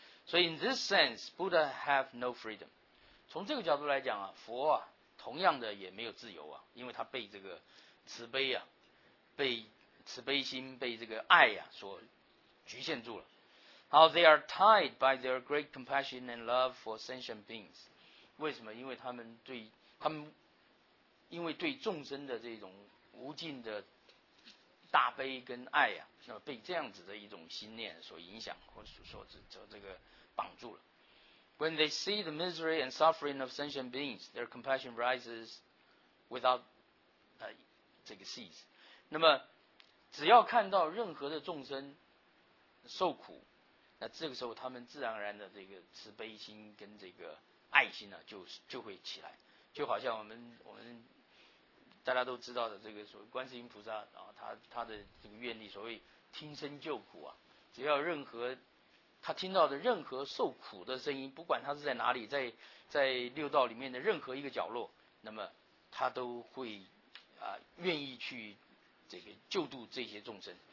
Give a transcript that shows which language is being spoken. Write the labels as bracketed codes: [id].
[zh] 所以 [en] in this sense, Buddha have no freedom. [zh] 从这个角度来讲啊，佛啊，同样的也没有自由啊，因为他被这个慈悲啊，被慈悲心，被这个爱啊所局限住了。 [en] How they are tied by their great compassion and love for sentient beings. [zh] 为什么？因为他们因为对众生的这种无尽的大悲跟爱啊，那么被这样子的一种心念所影响，或者说这个绑住了。 [en] When they see the misery and suffering of sentient beings, their compassion rises without 这个 cease. [zh] 那么只要看到任何的众生受苦，那这个时候他们自然而然的这个慈悲心跟这个爱心呢，就会起来，就好像我们大家都知道的这个所谓观世音菩萨啊，他的这个愿力，所谓听声救苦啊，只要任何他听到的任何受苦的声音，不管他是在哪里，在六道里面的任何一个角落，那么他都会愿意去这个救度这些众生。